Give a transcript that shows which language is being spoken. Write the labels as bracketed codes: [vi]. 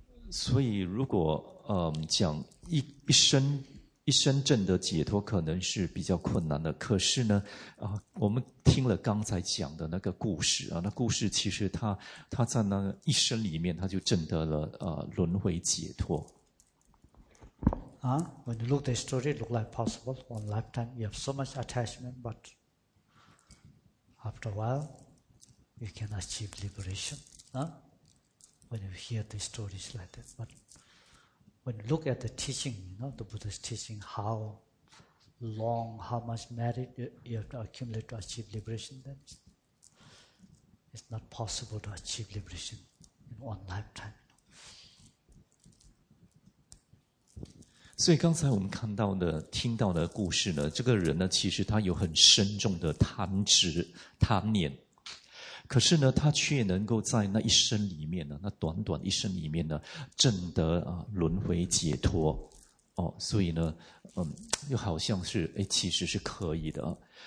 [zh] 所以如果讲一生证得解脱可能是比较困难的，可是呢我们听了刚才讲的那个故事那故事其实他在那一生里面他就证得了轮回解脱。 [en] When you look at the story, it looks like possible. One lifetime, you have so much attachment, but after a while, you can achieve liberation. When you hear the stories like that, but... When you look at the teaching, you know, the Buddha's teaching, how long, how much merit you have to accumulate to achieve liberation, then it's not possible to achieve liberation in one lifetime. [zh] 所以刚才我们看到的、听到的故事呢，这个人呢，其实他有很深重的贪执、贪念。可是呢，他却能够在那一生里面呢，那短短一生里面呢，证得轮回解脱，所以呢，又好像是其实是可以的。